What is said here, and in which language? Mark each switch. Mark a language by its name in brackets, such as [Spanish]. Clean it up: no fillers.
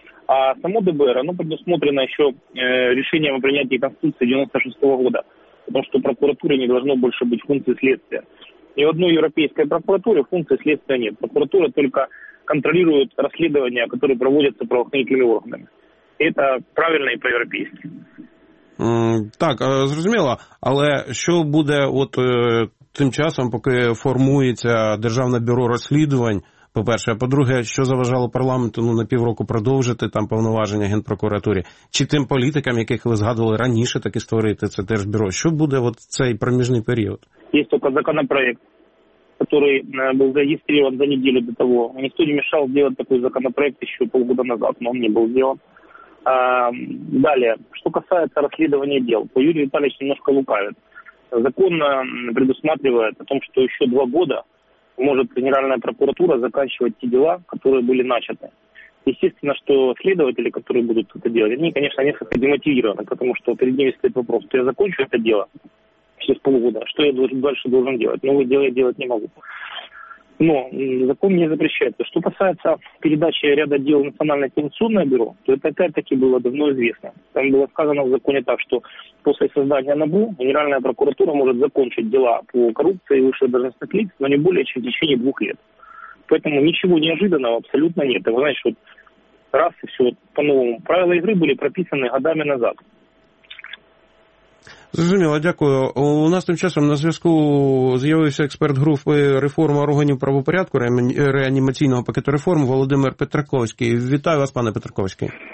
[Russian] А само ДБР, оно предусмотрено еще решением о принятии Конституции 96-го года, потому что прокуратуре не должно больше быть функции следствия. И в одной европейской прокуратуре функции следствия нет. Прокуратура только контролирует расследования, которые проводятся правоохранительными органами. И это правильно и по-европейски. [Ukrainian] Так, зрозуміло. Але що буде от тим часом, поки формується Державне бюро розслідувань, по-перше, а по-друге, що заважало парламенту на півроку продовжити там повноваження Генпрокуратурі? Чи тим політикам, яких ви згадували раніше, таки створити це Держбюро? Що буде от цей проміжний період? Є тільки законопроект, який був зареєстрований за неділю до того. Ніхто не мішав зробити такий законопроект ще півгода назад, але він не був зроблений. Далі, що стосується розслідування діл, то Юрій Віталійович [Russian] немножко лукавит. Закон предусматриває о том, що ще два роки может Генеральная прокуратура заканчивать те дела, которые были начаты. Естественно, что следователи, которые будут это делать, они, конечно, несколько демотивированы, потому что перед ними стоит вопрос, что я закончу это дело через полгода, что я дальше должен делать? Новые дела я делать не могу. Но закон не запрещает. Что касается передачи ряда дел в Национальное антикоррупционное бюро, то это опять-таки было давно известно. Там было сказано в законе так, что после создания НАБУ Генеральная прокуратура может закончить дела по коррупции и высших должностных лиц, но не более чем в течение 2 лет. Поэтому ничего неожиданного абсолютно нет. Это значит, вот раз и все по-новому. Правила игры были прописаны годами назад. [Ukrainian] Зрозуміло, дякую. У нас тим часом на зв'язку з'явився експерт групи реформи органів правопорядку, реанімаційного пакету реформ Володимир Петраковський. Вітаю вас, пане Петраковський.